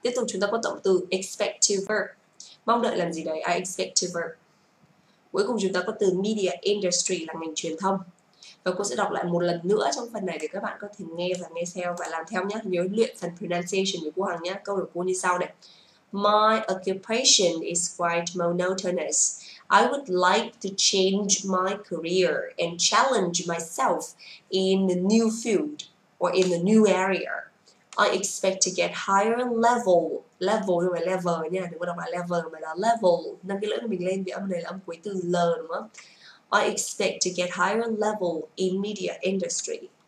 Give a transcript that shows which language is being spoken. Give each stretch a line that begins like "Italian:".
Vietnamese: Tiếp tục chúng ta có động từ expect to verb. Mong đợi làm gì đấy?
English: I expect to verb.
Vietnamese: Cuối cùng chúng ta có từ media industry là ngành truyền thông. Và cô sẽ đọc lại một lần nữa trong phần này để các bạn có thể nghe và nghe theo và làm theo nhé. Nhớ luyện phần pronunciation của cô Hằng nhé. Câu của cô như sau này.
English: My occupation is quite monotonous. I would like to change my career and challenge myself in a new field or in a new area. I expect to get higher level.
Vietnamese: Level không phải level nha, đừng có đọc là level mà là level. Nâng cái lưỡi mình lên vì âm này là âm cuối từ L đúng không?
English: I expect to get higher level in media industry.